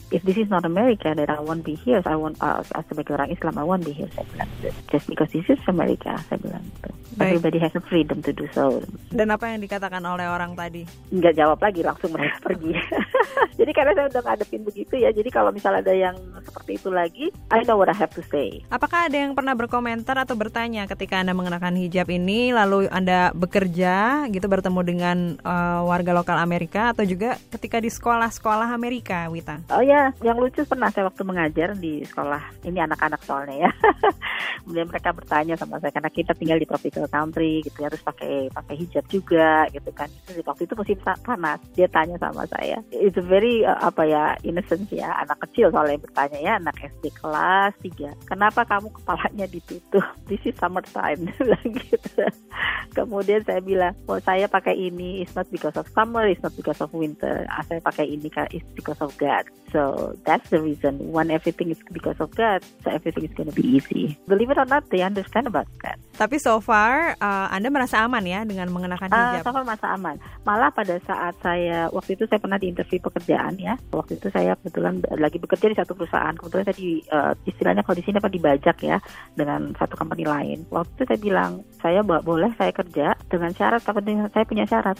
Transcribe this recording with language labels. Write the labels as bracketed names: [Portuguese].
[English] If this is not America, then I won't be here. So I won't, [Indonesian] sebagai orang Islam, [English] I won't be here, [Indonesian] saya bilang. [English] Just because this is America, [Indonesian] saya bilang. [English] Everybody has a freedom to do so. [Indonesian] Dan apa yang dikatakan oleh orang tadi? Nggak jawab lagi, langsung mereka pergi. Jadi karena saya udah ngadepin begitu ya, jadi kalau misalnya ada yang seperti itu lagi, [English] I know what I have to say. [Indonesian] Apakah ada yang pernah berkomentar atau bertanya ketika Anda mengenakan hijab ini, lalu Anda bekerja, gitu, bertemu dengan warga lokal Amerika, atau juga ketika di sekolah-sekolah Amerika, Wita? Oh ya, yang lucu pernah saya waktu mengajar di sekolah, ini anak-anak soalnya ya. Kemudian mereka bertanya sama saya, karena kita tinggal di [English] tropical country, [Indonesian] gitu ya, harus pakai hijab juga, gitu kan. Jadi waktu itu musim panas, dia tanya sama saya. [English] It's very, innocent [Indonesian] ya, anak kecil soalnya yang bertanya ya, anak SD kelas 3. Kenapa kamu kepalanya ditutup? [English] This is summertime, [Indonesian] gitu. Kemudian saya bilang, [English] well, [Indonesian] saya pakai ini, [English] it's not because of summer, it's not because of winter. [Indonesian] Saya pakai ini, [English] it's because of God. So, that's the reason. When everything is because of God, so everything is going to be easy. Believe it or not, they understand about that. [Indonesian] Tapi so far, Anda merasa aman ya dengan mengenakan hijab? So far merasa aman. Malah pada saat saya, waktu itu saya pernah di interview pekerjaan ya. Waktu itu saya kebetulan lagi bekerja di satu perusahaan. Kebetulan saya di, istilahnya kalau di sini apa, dibajak ya, dengan satu company lain. Waktu itu saya bilang, saya boleh saya kerja dengan syarat, tapi saya punya syarat.